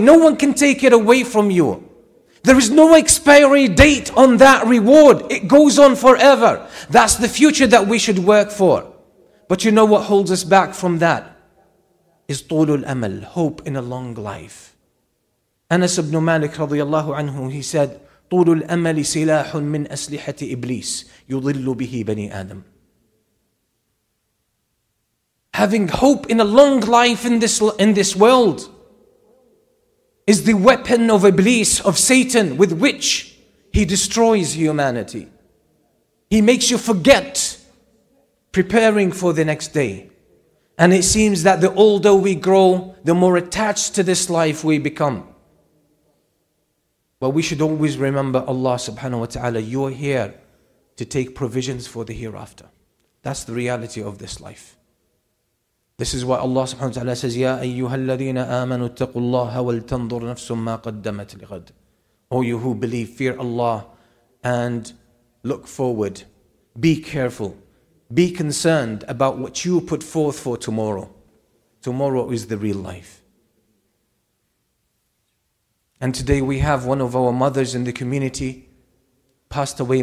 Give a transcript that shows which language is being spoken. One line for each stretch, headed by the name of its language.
English: No one can take it away from you. There is no expiry date on that reward. It goes on forever. That's the future that we should work for. But you know what holds us back from that? Is
Arabic: طول الأمل,
English: hope in a long life. Anas ibn Malik radiallahu anhu, he said,
Arabic: طول الأمل سلاح من أسلحة إبليس يضل به بني آدم.
English: Having hope in a long life in this world is the weapon of Iblis, of Satan, with which he destroys humanity. He makes you forget preparing for the next day. And it seems that the older we grow, the more attached to this life we become. But we should always remember Allah subhanahu wa ta'ala, you're here to take provisions for the hereafter. That's the reality of this life. This is why Allah subhanahu wa ta'ala says,
Arabic: يَا أَيُّهَا الَّذِينَ آمَنُوا اتَّقُوا اللَّهَ وَلْتَنْظُرْ نَفْسٌ مَّا قَدَّمَتْ لِغَدْ.
English: O you who believe, fear Allah and look forward. Be careful. Be concerned about what you put forth for tomorrow. Tomorrow is the real life. And today we have one of our mothers in the community passed away.